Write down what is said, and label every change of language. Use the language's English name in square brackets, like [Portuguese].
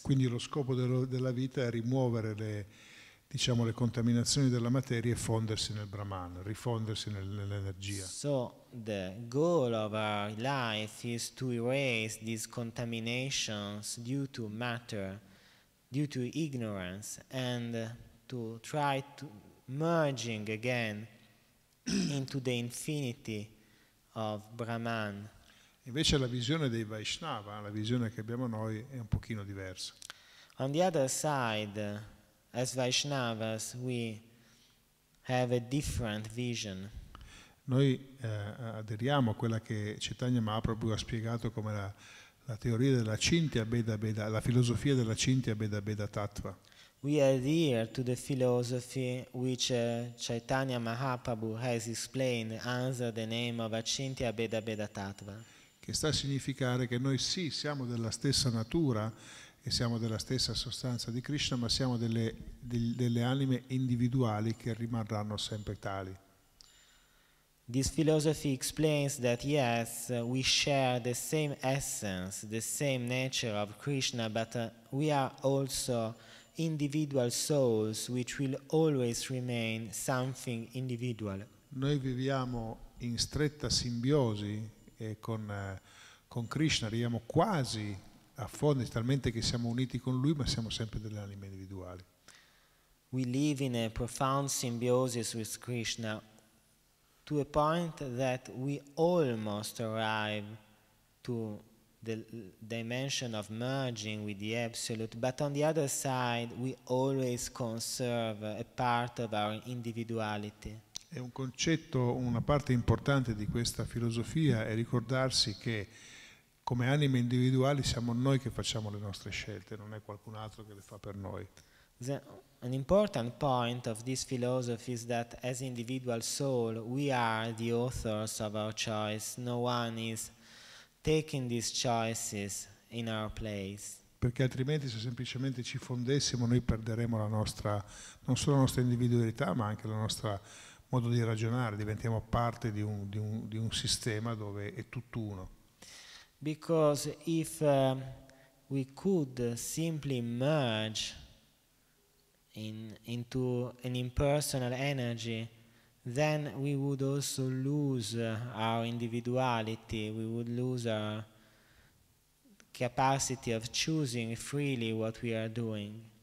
[Italian] Quindi lo scopo della vita è rimuovere le contaminazioni della materia e fondersi nel Brahman, rifondersi nell'energia. [English] So the goal of our life is to erase these contaminations due to matter, due to ignorance, and to try to merging again into the infinity of Brahman. [Italian] Invece la visione dei Vaishnava, la visione che abbiamo noi, è un pochino diversa. [English] On the other side, as Vaishnavas, we have a different vision. [Italian] Noi aderiamo a quella che Chaitanya Mahaprabhu ha spiegato come la teoria della Cintya Beda Beda, la filosofia della Cintya Beda Beda Tattva. [English] We adhere to the philosophy which Chaitanya Mahaprabhu has explained under the name of Acintya Beda Beda Tattva. [Italian] Che sta a significare che noi sì, siamo della stessa natura e siamo della stessa sostanza di Krishna, ma siamo delle anime individuali che rimarranno sempre tali. [English] This philosophy explains that yes, we share the same essence, the same nature of Krishna, but we are also individual souls which will always remain something individual. [Italian] Noi viviamo in stretta simbiosi e con Krishna arriviamo quasi a fondi talmente che siamo uniti con lui, ma siamo sempre delle anime individuali. [English] We live in a profound symbiosis with Krishna to a point that we almost arrive to the dimension of merging with the absolute, but on the other side we always conserve a part of our individuality. [Italian] È un concetto, una parte importante di questa filosofia è ricordarsi che come anime individuali siamo noi che facciamo le nostre scelte, non è qualcun altro che le fa per noi. [English] An important point of this philosophy is that as individual soul we are the authors of our choice, no one is taking these choices in our place. [Italian] Perché altrimenti se semplicemente ci fondessimo noi perderemo la nostra, non solo la nostra individualità, ma anche il nostro modo di ragionare, diventiamo parte di un sistema dove è tutt'uno. [English] Because if we could simply merge into an impersonal energy, then we would also lose our individuality, we would lose our capacity of choosing freely what we are doing.